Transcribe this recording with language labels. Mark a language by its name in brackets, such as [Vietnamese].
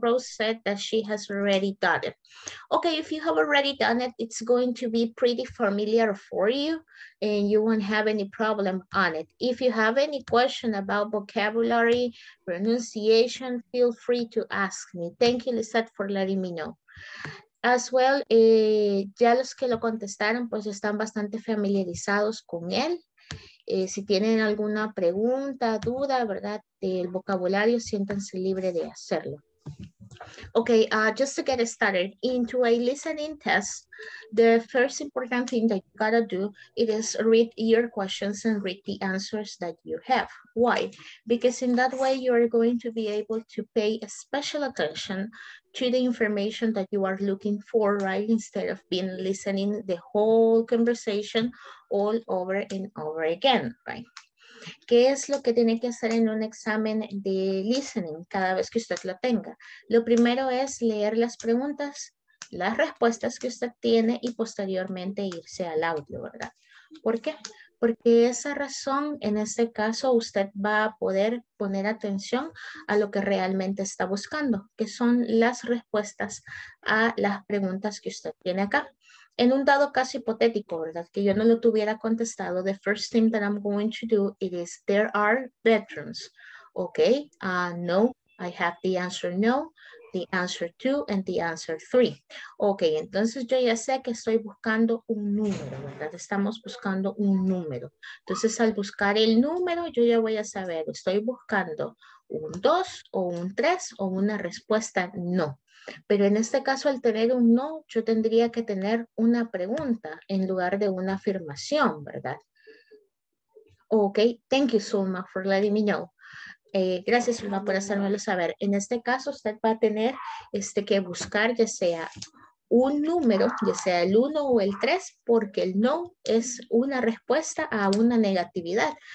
[English] Rose said that she has already done it. Okay, if you have already done it, it's going to be pretty familiar for you and you won't have any problem on it. If you have any question about vocabulary, pronunciation, feel free to ask me. Thank you, Lisette, for letting me know. As well, [Spanish] ya los que lo contestaron, pues están bastante familiarizados con él. Si tienen alguna pregunta, duda, ¿verdad? Del vocabulario, siéntanse libre de hacerlo. [English] Okay, just to get started, into a listening test, the first important thing that you gotta do, it is read your questions and read the answers that you have. Why? Because in that way, you're going to be able to pay a special attention to the information that you are looking for, right? Instead of being listening the whole conversation all over and over again, right? [Spanish] ¿Qué es lo que tiene que hacer en un examen de listening cada vez que usted lo tenga? Lo primero es leer las preguntas, las respuestas que usted tiene y posteriormente irse al audio, ¿verdad? ¿Por qué? Porque esa razón, en este caso, usted va a poder poner atención a lo que realmente está buscando, que son las respuestas a las preguntas que usted tiene acá. En un dado caso hipotético, ¿verdad? Que yo no lo tuviera contestado, [English] the first thing that I'm going to do it is there are bedrooms. Okay, no, I have the answer no, the answer 2, and the answer 3. [Spanish] Okay, entonces yo ya sé que estoy buscando un número, ¿verdad? Estamos buscando un número. Entonces al buscar el número, yo ya voy a saber, estoy buscando un 2 o un 3 o una respuesta no. Pero en este caso, al tener un no, yo tendría que tener una pregunta en lugar de una afirmación, ¿verdad? [English] Ok, thank you so much for letting me know. [Spanish] Gracias, Zulma, por hacérmelo saber. En este caso, usted va a tener que buscar ya sea un número, ya sea el 1 o el 3, porque el no es una respuesta a una negatividad.